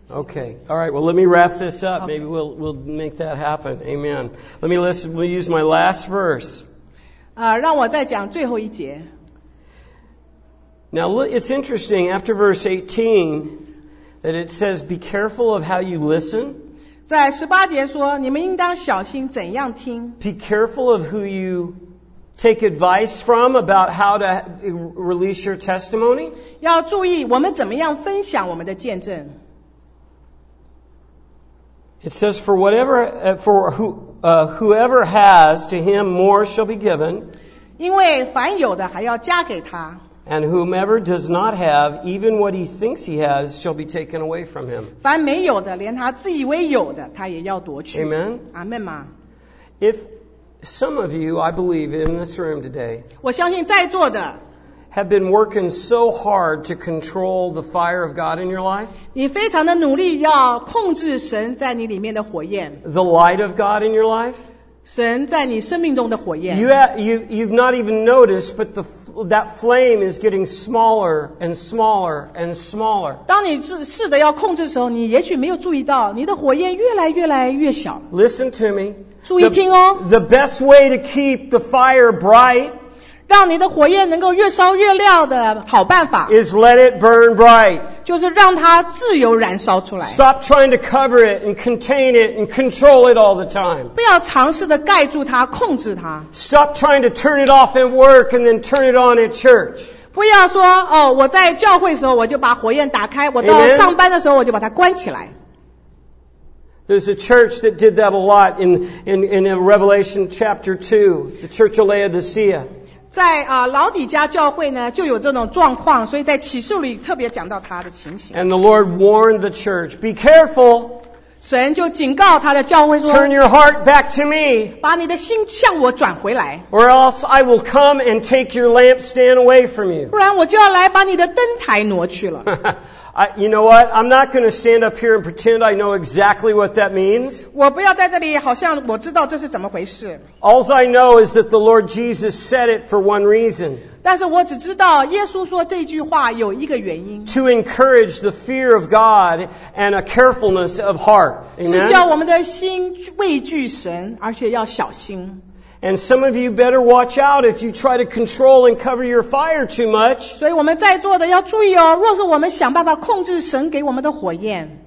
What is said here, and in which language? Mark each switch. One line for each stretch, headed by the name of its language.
English: Okay. All right. Well, let me wrap this up. Okay. Maybe we'll make that happen. Amen. Let me listen. We'll use my last verse.
Chinese: 让我再讲最后一节。
English: Now, it's interesting, after verse 18, that it says, be careful of how you listen.
Chinese: 在18节说, 你们应当小心怎样听。
English: Be careful of who you take advice from about how to release your testimony.
Chinese: 要注意我们怎么样分享我们的见证。
English: It says, whoever has, to him more shall be given.
Chinese: 因为凡有的还要加给他。
English: And whomever does not have, even what he thinks he has, shall be taken away from him.
Chinese: 凡没有的, 连他自以为有的, 他也要夺取。
English: Amen? Amen. If some of you, I believe, in this room today,
Chinese: 我相信在座的,
English: have been working so hard to control the fire of God in your life,
Chinese: 你非常的努力要控制神在你里面的火焰,
English: the light of God in your life,
Chinese: 神在你生命中的火焰,
English: you've not even noticed, but that flame is getting smaller and smaller and smaller.
Chinese: 当你试着要控制的时候, 你也许没有注意到, 你的火焰越来越小。
English: Listen to me.
Chinese: 注意听哦。
English: The best way to keep the fire bright,
Chinese: 让你的火焰能够越烧越亮的, 好办法,
English: is let it burn bright.
Chinese: 就是让它自由燃烧出来。
English: Stop trying to cover it and contain it and control it all the time.
Chinese: 不要尝试的盖住它, 控制它。
English: Stop trying to turn it off at work and then turn it on at church.
Chinese: 不要说, 哦, 我在教会的时候, 我就把火焰打开, 我到上班的时候, 我就把它关起来。
English: There's a church that did that a lot in Revelation chapter 2, the church of Laodicea.
Chinese: 在, 老底家教会呢, 就有这种状况, 所以在启示录里特别讲到他的情形。
English: And the Lord warned the church, be careful.
Chinese: 神就警告他的教会说,
English: turn your heart back to me.
Chinese: 把你的心向我转回来。
English: Or else I will come and take your lampstand away from you.
Chinese: 不然我就要来把你的灯台挪去了。
English: You know what? I'm not going to stand up here and pretend I know exactly what that means.
Chinese: 我不要在这里好像我知道这是怎么回事。
English: All I know is that the Lord Jesus said it for one reason.
Chinese: 但是我只知道耶稣说这句话有一个原因。
English: To encourage the fear of God and a carefulness of heart. Amen?
Chinese: 是叫我们的心畏惧神,而且要小心。
English: And some of you better watch out if you try to control and cover your fire too much.
Chinese: 所以我们在座的要注意哦, 若是我们想办法控制神给我们的火焰,